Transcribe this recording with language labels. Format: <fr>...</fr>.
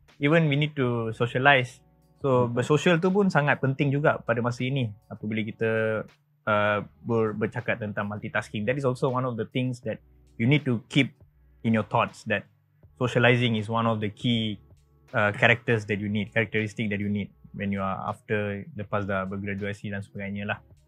<en>Even we need to socialize.</en> <ms>So, bersosial tu pun sangat penting juga pada masa ini. Apabila kita bercakap tentang multitasking.</ms> <en>That is also one of the things that you need to keep in your thoughts, that socializing is one of the key characteristic that you need when you are after,</en> <ms>lepas dah bergraduasi dan sebagainya lah.</ms>